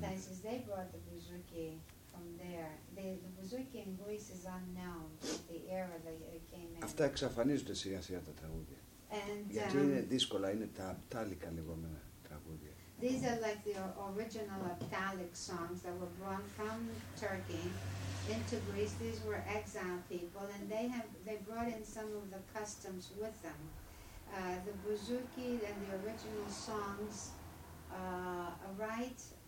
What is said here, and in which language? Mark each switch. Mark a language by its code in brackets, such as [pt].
[en] Other places, they brought the bouzouki from there. The bouzouki in Greece is unknown, the era that it came in. [el] Αυτά εξαφανίζονται σιγά σιγά τα τραγούδια. Γιατί είναι δύσκολα, είναι τα απτάλικα λεγόμενα τραγούδια. [en] These are like the original Aptalic songs that were brought from Turkey into Greece. These were exiled people, and they brought in some of the customs with them. The bouzouki and the original songs, right?